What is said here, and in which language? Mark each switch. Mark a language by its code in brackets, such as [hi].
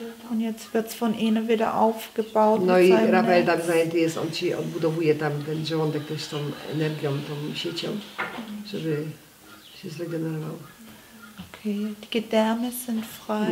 [de] Und jetzt wird's von innen wieder aufgebaut. [pl] No i Raphael tak zajęty jest, on ci odbudowuje tam ten żołądek też tą energią, tą siecią, żeby się zregenerował. [de] Okay, die Gedärme sind frei.